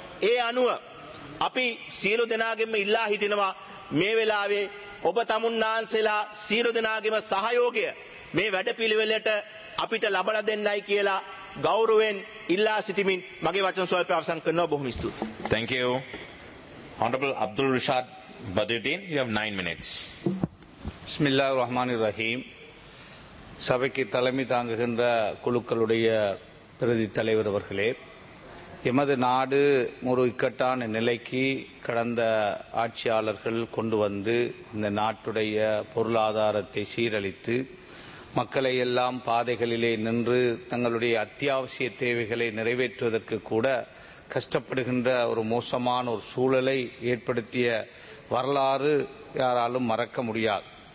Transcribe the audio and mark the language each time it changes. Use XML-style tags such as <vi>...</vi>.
<si>ඒ අනුව අපි සියලු දෙනාගෙන්ම ඉල්ලා හිටිනවා මේ වෙලාවේ ඔබ තමුන්නාන්සේලා සියලු දෙනාගෙම සහයෝගය මේ වැඩපිළිවෙලට අපිට ලබලා දෙන්නයි කියලා ගෞරවයෙන් ඉල්ලා සිටිමින් මගේ වචන ස්වල්පව අවසන් කරනවා. බොහොම ස්තුතියි.</si> <en>Thank you. Honorable Abdul Rashad Badruddin, you have 9 minutes.</en> <ar>Bismillahir Rahmanir Rahim.</ar> <ta>சபைக்கு தலைமை தாங்குகின்ற குழுக்களுடைய பிரதி தலைவர் அவர்களே, எமது நாடு ஒரு இக்கட்டான நிலைக்கு கடந்த ஆட்சியாளர்கள் கொண்டு வந்து இந்த நாட்டுடைய பொருளாதாரத்தை சீரழித்து மக்களை எல்லாம் பாதைகளிலே நின்று தங்களுடைய அத்தியாவசிய தேவைகளை நிறைவேற்றுவதற்கு கூட கஷ்டப்படுகின்ற ஒரு மோசமான ஒரு சூழலை ஏற்படுத்திய வரலாறு யாராலும் மறக்க முடியாது.</ta>